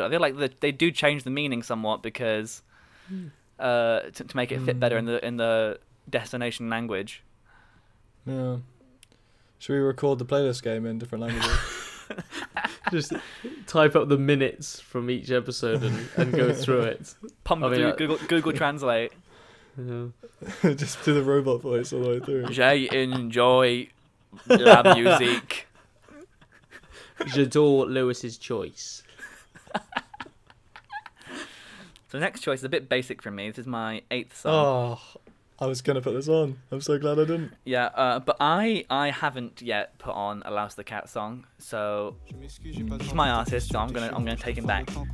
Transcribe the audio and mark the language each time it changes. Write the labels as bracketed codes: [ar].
[en] I feel like they do change the meaning somewhat because to make it fit better in the destination language. Yeah. Should we record the playlist game in different languages? Just type up the minutes from each episode and go through it. Google Translate. Yeah. Just do the robot voice all the way through. [fr] J'ai enjoy la musique. J'adore Lewis's choice. [en] So next choice is a bit basic for me. This is my eighth song. Oh, I was going to put this on. I'm so glad I didn't. Yeah, but I haven't yet put on a Louse the Cat song, so he's my artist, so I'm gonna take him back.